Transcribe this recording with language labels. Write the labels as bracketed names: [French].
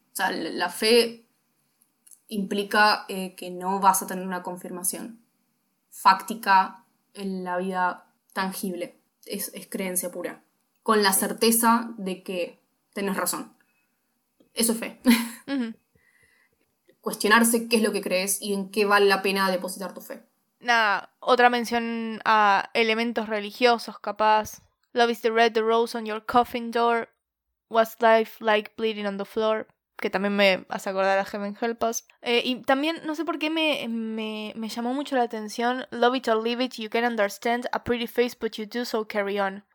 [Spanish] O sea, la fe implica que no vas a tener una confirmación fáctica en la vida tangible. Es creencia pura. Con la certeza de que tenés razón. Eso es fe. Uh-huh. Cuestionarse qué es lo que crees y en qué vale la pena depositar tu fe. Nada, otra mención a elementos religiosos, capaz. [English] Love is the red, the rose on your coffin door. What's life like bleeding on the floor? [Spanish] Que también me hace acordar a Heaven Help Us. Y también, no sé por qué me llamó mucho la atención. [English] Love it or leave it, you can understand. A pretty face, but you do so carry on.